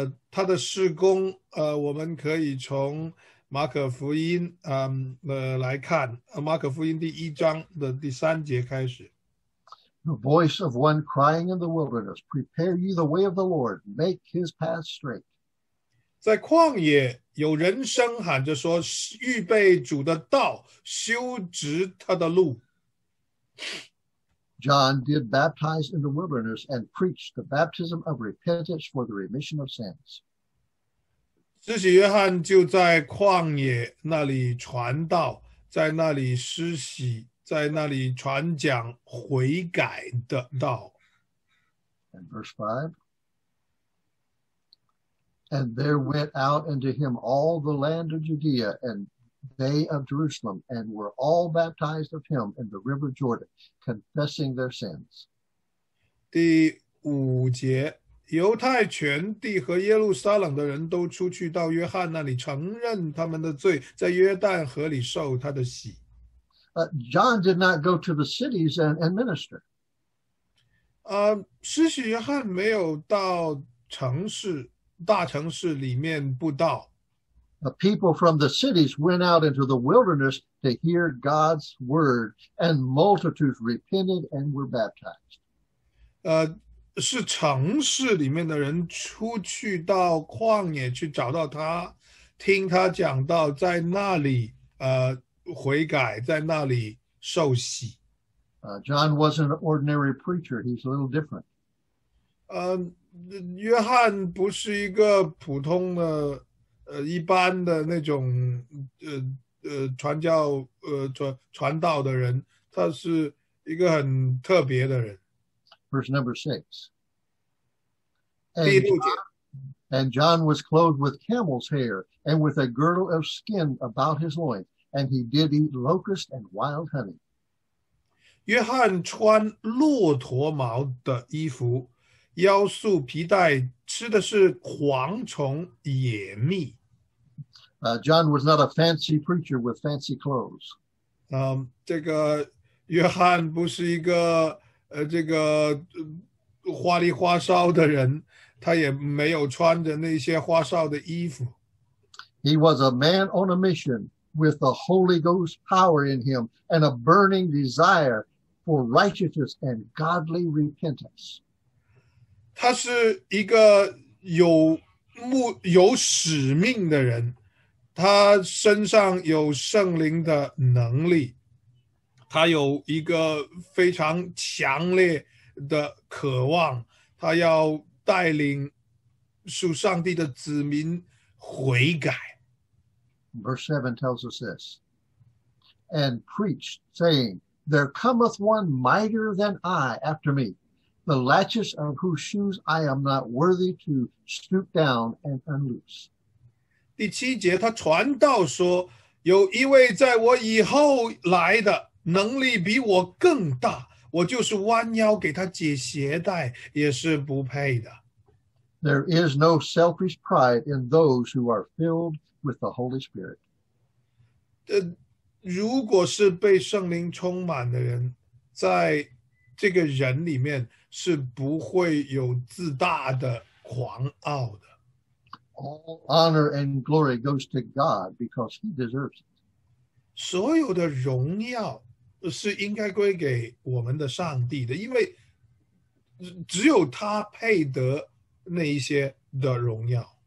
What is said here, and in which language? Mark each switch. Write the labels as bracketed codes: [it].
[zh] 他的事工我们可以从马可福音来看，马可福音第一章的第三节开始。 [en] The voice of one crying in the wilderness, prepare ye the way of the Lord, make his path straight. [zh] 在旷野有人声喊着说，预备主的道，修直他的路。 [en] John did baptize in the wilderness and preached the baptism of repentance for the remission of sins. [zh] 施洗约翰就在旷野那里传道，在那里施洗。在那里传讲悔改的道。 [en] And verse 5. And there went out unto him all the land of Judea and they of Jerusalem, and were all baptized of him in the river Jordan, confessing their sins. [zh] 第五节，犹太全地和耶路撒冷的人都出去到约翰那里承认他们的罪，在约旦河里受他的洗。 [en] But John did not go to the cities and minister. [zh] 施洗约翰没有到城市，大城市里面布道。 [en] The people from the cities went out into the wilderness to hear God's word, and multitudes repented and were baptized. [zh] 是城市里面的人出去到旷野去找到他，听他讲道，在那里悔改，在那里受洗。 [en] John wasn't an ordinary preacher. He's a little different. [zh] 约翰不是一个普通的一般的那种传道的人，他是一个很特别的人。 [en] Verse number 6. And John was clothed with camel's hair and with a girdle of skin about his loins. And he did eat locust and wild honey. [zh] 约翰穿骆驼毛的衣服，腰束皮带，吃的是蝗虫野蜜。 [en] John was not a fancy preacher with fancy clothes. [zh] 这个约翰不是一个这个花里花哨的人，他也没有穿着那些花哨的衣服。 [en] He was a man on a mission. With the Holy Ghost power in him and a burning desire for righteousness and godly repentance. [zh] 他是一个有使命的人，他身上有圣灵的能力，他有一个非常强烈的渴望，他要带领属上帝的子民悔改。 [en] Verse 7 tells us this, and preached, saying, there cometh one mightier than I after me, the latches of whose shoes I am not worthy to stoop down and unloose. [zh] 第七节，他传道说，有一位在我以后来的，能力比我更大，我就是弯腰给他解鞋带，也是不配的。 [en] There is no selfish pride in those who are filled with the Holy Spirit. [zh] 如果是被圣灵充满的人，在这个人里面是不会有自大的、狂傲的。 [en] All honor and glory goes to God because He deserves it. [zh] 所有的荣耀是应该归给我们的上帝的，因为只有他配得那一些的荣耀。